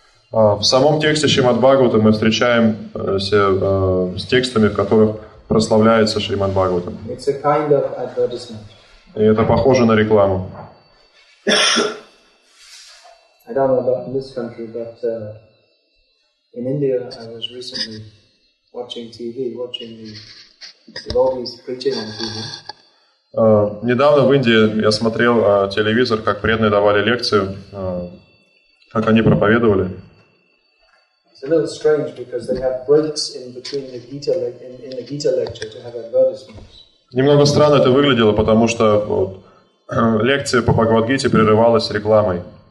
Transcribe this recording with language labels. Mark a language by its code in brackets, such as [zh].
[ru] В самом тексте Шримад-Бхагавата мы встречаемся с текстами, в которых прославляется Шримад-Бхагавата. [en] It's a kind of advertisement. [ru] И это похоже на рекламу. [en] I don't know about in this country, but in India I was recently watching TV, watching the devotees preaching on TV. [ru] Недавно в Индии я смотрел телевизор, как преданные давали лекцию, как они проповедовали. [en] It's a little strange because they have breaks in between the Gita in the Gita lecture to have advertisements. [ru] Немного странно это выглядело, потому что вот, лекция по Бхагавад-гите прерывалась рекламой.